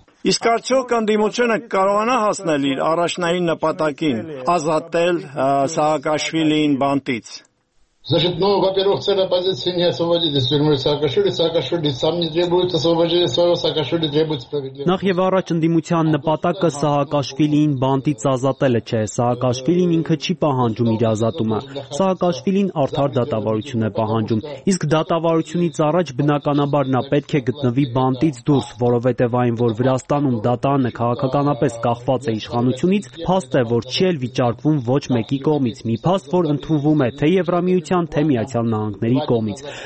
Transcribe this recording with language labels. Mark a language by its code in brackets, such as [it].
[hy] Իսկ արդյոք ընդդիմությունը կարողանա հասնել իր առաջնային նպատակին, ազատել Սահակաշվիլին բանտից։ [ru] Значит, ну, во-первых, цель оппозиции не освободить из тюрьмы Саакашвили. Саакашвили сам не требует освобождения своего, Саакашвили требует справедливости. [hy] Նախ եւ առաջ ընդդիմության նպատակը Սահակաշվիլին բանտից ազատելը չէ։ Սահակաշվիլին ինքը չի պահանջում իր ազատումը։ Սահակաշվիլին արդար դատավարություն է պահանջում։ Իսկ դատավարությունից առաջ բնականաբար նա պետք է գտնվի բանտից դուրս, որովհետեւ այն, որ Վրաստանում դատանը քաղաքականապես կախված է իշխանությունից, փաստ է, որ չի էլ վիճարկվում ոչ մեկի կողմից, մի փաստ, որ ընդունվում է թե Եվրամիության թե Միացյալ Նահանգների կողմից։